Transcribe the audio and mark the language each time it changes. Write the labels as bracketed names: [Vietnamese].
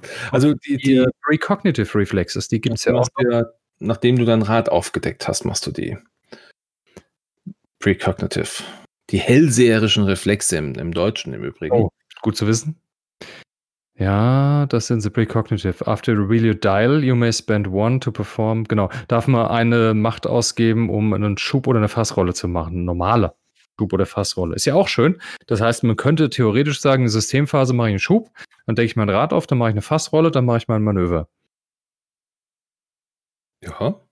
[German] also die Precognitive Reflexes, die gibt es ja auch. Nachdem du dein Rad aufgedeckt hast, machst du die Precognitive. Die hellseherischen Reflexe im Deutschen im Übrigen. Oh, gut zu wissen. Ja, das sind sie, Precognitive. [English] After you reveal your dial, you may spend one to perform. [German] Genau, darf man eine Macht ausgeben, um einen Schub oder eine Fassrolle zu machen. Normale Schub oder Fassrolle. Ist ja auch schön. Das heißt, man könnte theoretisch sagen, in der Systemphase mache ich einen Schub, dann decke ich mein Rad auf, dann mache ich eine Fassrolle, dann mache ich mein Manöver. Ja.